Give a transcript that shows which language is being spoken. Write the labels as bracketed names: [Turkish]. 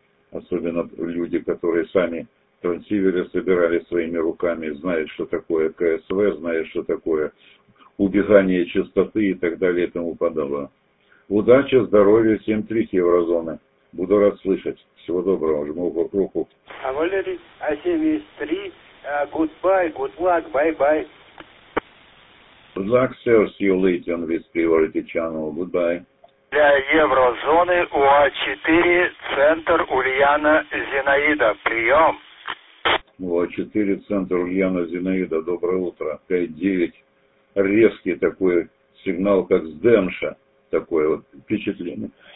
[Russian] Особенно люди, которые сами трансиверы собирали своими руками, знают, что такое КСВ, знают, что такое убегание частоты и так далее и тому подобное. Удачи, здоровья, 7-3 еврозоны. Буду рад слышать. Всего доброго, жму руку. [English] А Валерий, а 7-3, goodbye, good luck, bye-bye. Good luck, sir, see you later on this priority channel, goodbye. [Russian] Для еврозоны УА4, центр Ульяна Зинаида, прием. УА4, центр Ульяна Зинаида, доброе утро. 5-9, резкий такой сигнал, как с Дэмша. Такое вот впечатление.